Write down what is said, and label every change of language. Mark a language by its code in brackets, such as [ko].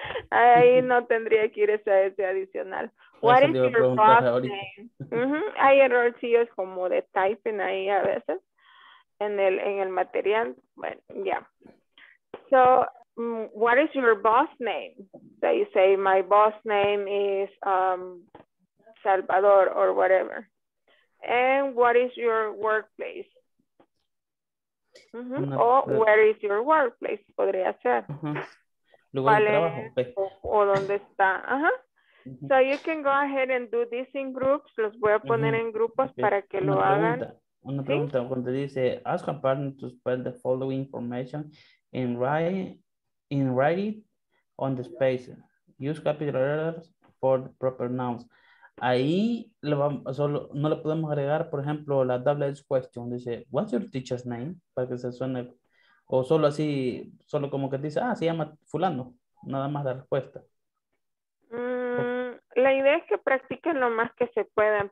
[es] Ahí no tendría que ir esa S adicional. [en] What is your boss name? [es] Hay error, sí, es como de typing ahí a veces en el material. [en] Bueno, yeah. So, what is your boss name? So you say, my boss name is Salvador or whatever. And what is your workplace? O where is your workplace, [es] podría ser. Lugar de trabajo. O dónde está. [en] So you can go ahead and do this in groups. [es] Los voy a poner en grupos para que lo hagan. Una pregunta. Cuando dice, [en] ask a partner to spell the following information in writing on the space. Use capital letters for proper nouns. [es] Ahí no le podemos agregar, por ejemplo, la double edge question. Dice, [en] what's your teacher's name? [es] Para que se suene. O solo así, solo como que dice, ah, se llama fulano. Nada más la respuesta. La idea es que practiquen lo más que se puedan.